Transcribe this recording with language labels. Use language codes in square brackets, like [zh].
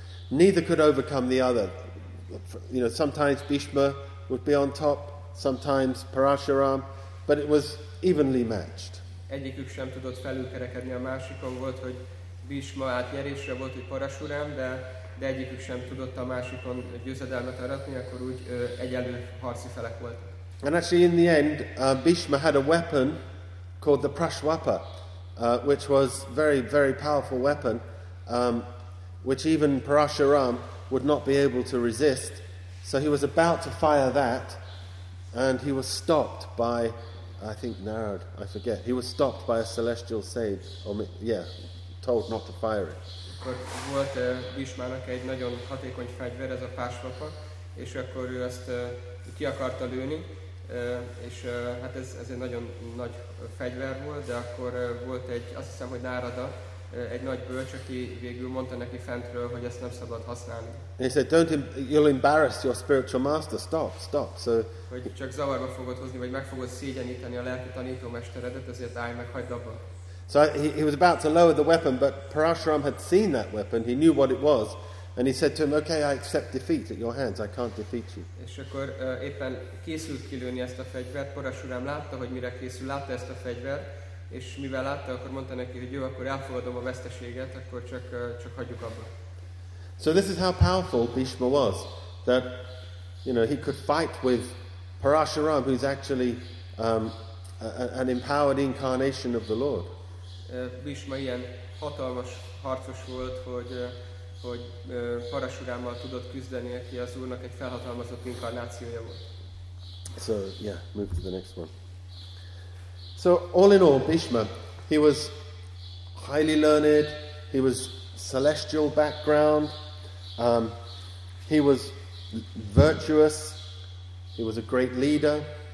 [en] Neither could overcome the other. You know, sometimes Bhishma would be on top, sometimes Parashuram, but it was evenly matched. [hu] Egyikük sem tudott felülkerekedni a másikon. Volt, hogy Bhishma átnyerésre, volt, hogy Parashuram, de egyikük sem tudott a másikon győzedelmet aratni, akkor úgy egyenlő harci felek volt. [en] And actually in the end, Bhishma had a weapon called the Prashwapa, which was very, very powerful weapon, which even Parashuram would not be able to resist. So he was about to fire that, and he was stopped by, I think Narad, I forget, he was stopped by a celestial sage, told not to fire it. [hu] Akkor volt Bhishmának egy nagyon hatékony fegyver, ez a Prashwapa, és akkor ő ezt ki akarta lőni, és hát ez egy nagyon nagy fegyver volt, de akkor volt egy, azt hiszem, hogy Narada, egy nagy bölcs, aki végül mondta neki fentről, hogy ezt nem szabad használni. [en] And he said, you'll embarrass your spiritual master, stop. So, [hu] hogy csak zavarba fogod hozni, vagy meg fogod szégyeníteni a lelki tanítómesteredet, ezért állj meg, hagyd abba. [en] So he was about to lower the weapon, but Parashuram had seen that weapon, he knew what it was, and he said to him, "Okay, I accept defeat at your hands, I can't defeat you." [hu] És akkor éppen készült kilőni ezt a fegyvert, Parashuram látta, hogy mire készül, látta ezt a fegyvert, és mivel látta, akkor mondta neki, hogy jó, akkor elfogadom a veszteséget, akkor csak hagyjuk abba. [en] So this is how powerful Bhishma was, that, you know, he could fight with Parashuram, who's actually an empowered incarnation of the Lord. [hu] Bhishma ilyen hatalmas harcos volt, hogy Parashurammal tudott küzdeni, aki az Úrnak egy felhatalmazott inkarnációja volt. [en] So, yeah, move to the next one. So, all in all, Bhishma, he was highly learned, he was celestial background, he was virtuous, he was a great leader.